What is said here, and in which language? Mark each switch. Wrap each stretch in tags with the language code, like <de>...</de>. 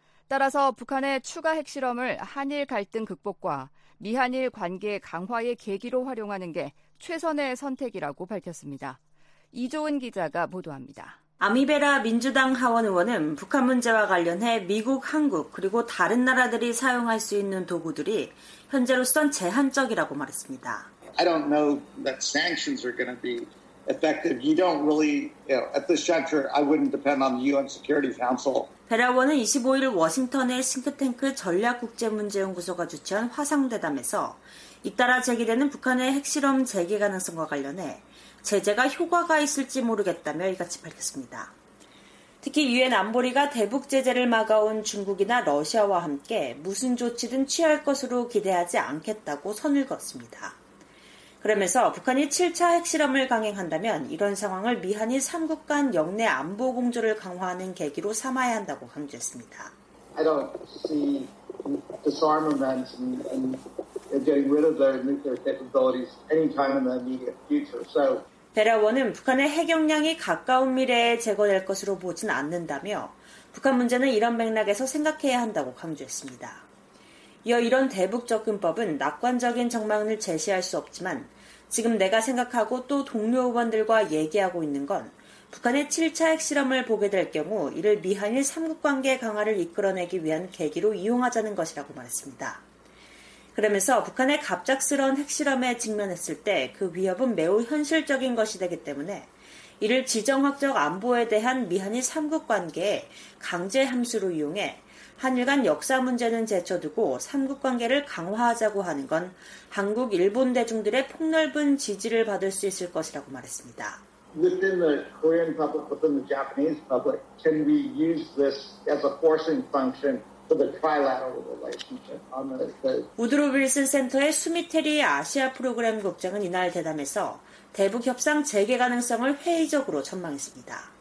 <ko>따라서 북한의 추가 핵실험을 한일 갈등 극복과 미한일 관계 강화의 계기로 활용하는 게 최선의 선택이라고 밝혔습니다. 이조은 기자가 보도합니다. 아미베라 민주당 하원 의원은 북한 문제와 관련해 미국, 한국 그리고 다른 나라들이 사용할 수 있는 도구들이 현재로선 제한적이라고 말했습니다.</ko> <en>I don't know that sanctions are going to be effective. You don't really, you know, at this juncture, I wouldn't depend on the UN Security Council.</en> <ko>베라 의원은 25일 워싱턴의 싱크탱크 전략국제문제연구소가 주최한 화상대담에서 잇따라 제기되는 북한의 핵실험 재개 가능성과 관련해 제재가 효과가 있을지 모르겠다며 이같이 밝혔습니다. 특히 유엔 안보리가 대북 제재를 막아온 중국이나 러시아와 함께 무슨 조치든 취할 것으로 기대하지 않겠다고 선을 그었습니다. 그러면서 북한이 7차 핵실험을 강행한다면 이런 상황을 미한이 3국 간 역내 안보 공조를 강화하는 계기로 삼아야 한다고 강조했습니다.</ko> <en>I don't see disarmament and getting rid of their nuclear capabilities anytime in the immediate future. So</en> <ko>베라 원은 북한의 핵역량이 가까운 미래에 제거될 것으로 보진 않는다며 북한 문제는 이런 맥락에서 생각해야 한다고 강조했습니다. 이어 이런 대북 접근법은 낙관적인 전망을 제시할 수 없지만 지금 내가 생각하고 또 동료 의원들과 얘기하고 있는 건 북한의 7차 핵실험을 보게 될 경우 이를 미한일 3국 관계 강화를 이끌어내기 위한 계기로 이용하자는 것이라고 말했습니다. 그러면서 북한의 갑작스러운 핵실험에 직면했을 때 그 위협은 매우 현실적인 것이 되기 때문에 이를 지정학적 안보에 대한 미한일 3국 관계의 강제 함수로 이용해 한일 간 역사 문제는 제쳐두고 3국 관계를 강화하자고 하는 건 한국, 일본 대중들의 폭넓은 지지를 받을 수 있을 것이라고 말했습니다.</ko> <en>Within the Korean public, within the Japanese public, can we use this as a forcing function for the trilateral relationship? On the...</en> <ko>우드로 윌슨 센터의 수미테리 아시아 프로그램 국장은 이날 대담에서 대북 협상 재개 가능성을 회의적으로 전망했습니다.</ko>